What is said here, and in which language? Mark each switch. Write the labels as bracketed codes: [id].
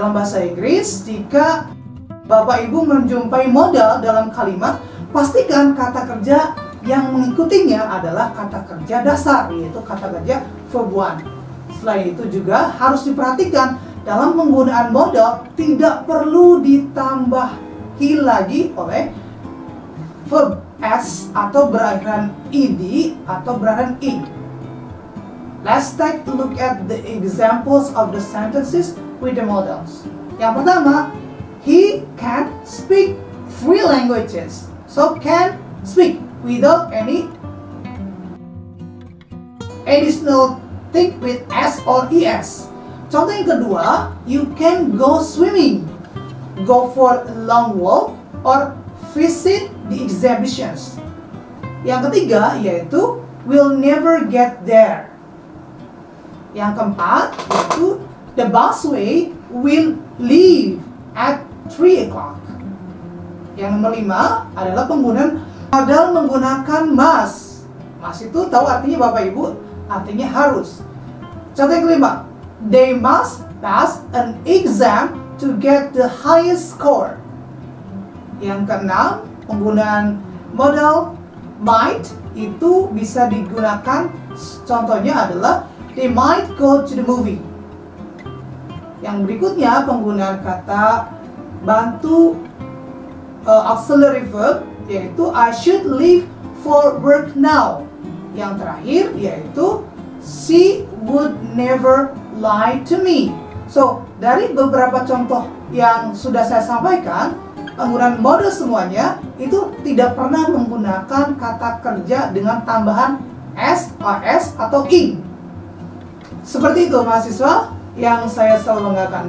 [id] Dalam bahasa Inggris, jika Bapak Ibu menjumpai modal dalam kalimat, pastikan kata kerja yang mengikutinya adalah kata kerja dasar, yaitu kata kerja verb 1. Selain itu juga harus diperhatikan dalam penggunaan modal tidak perlu ditambahi lagi oleh verb S atau berakhiran ed atau berakhiran i. [en] Let's take a look at the examples of the sentences with the modals. [id] Yang pertama, [en] he can speak 3 languages. So can speak without any additional thing with S or ES. [id] Contoh yang kedua, [en] you can go swimming, go for a long walk, or visit the exhibitions. [id] Yang ketiga, yaitu [en] we'll never get there. [id] Yang keempat, yaitu [en] the busway will leave at 3 o'clock. [id] Yang nomor lima adalah penggunaan modal menggunakan must. Must itu tahu artinya Bapak Ibu, artinya harus. Contoh yang kelima, [en] they must pass an exam to get the highest score. [id] Yang keenam, penggunaan modal might itu bisa digunakan, contohnya adalah [en] they might go to the movie. [id] Yang berikutnya, penggunaan kata bantu [en] auxiliary verb [id] yaitu [en] I should leave for work now. [id] Yang terakhir yaitu [en] she would never lie to me. [id] So, dari beberapa contoh yang sudah saya sampaikan, penggunaan modal semuanya itu tidak pernah menggunakan kata kerja dengan tambahan S, AS, atau ing. Seperti itu mahasiswa yang saya selalu banggakan.